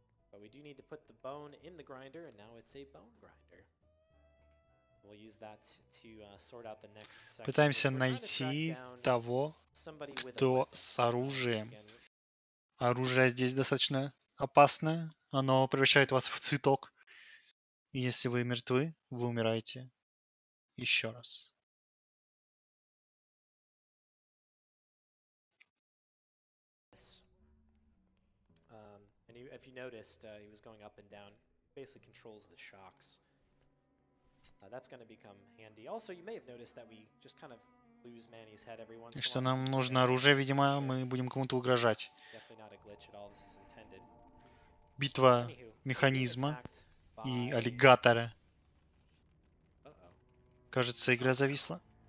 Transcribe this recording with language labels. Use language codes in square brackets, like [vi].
[en] But we do need to put the bone in the grinder, and now it's a bone grinder. We'll use that to sort out the next section. [ru] Пытаемся найти того, кто с оружием. Оружие здесь достаточно опасное. Оно превращает вас в цветок. И если вы мертвы, вы умираете. Еще раз. [en] And you, if you noticed, he was going up and down. Basically controls the shocks. That's going to become handy. Also, you may have noticed that we just kind of lose Manny's head every once in a while. [ru] Что нам нужно оружие, видимо, мы будем кому-то угрожать. [en] Definitely not a glitch at all. This is intended. [ru] Битва механизма и аллигатора. Кажется, игра зависла.